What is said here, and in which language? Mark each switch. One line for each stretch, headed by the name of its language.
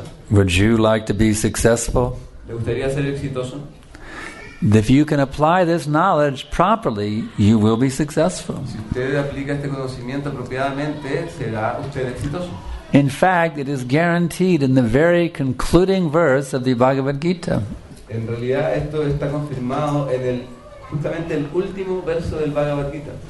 English: Would you like to be successful? If you can apply this knowledge properly, you will be successful.
Spanish: Si usted aplica este conocimiento apropiadamente, será usted exitoso.
English: In fact, it is guaranteed in the very concluding verse of the Bhagavad Gita.
Spanish: En realidad, esto está confirmado en el, justamente el último verso del Bhagavad Gita.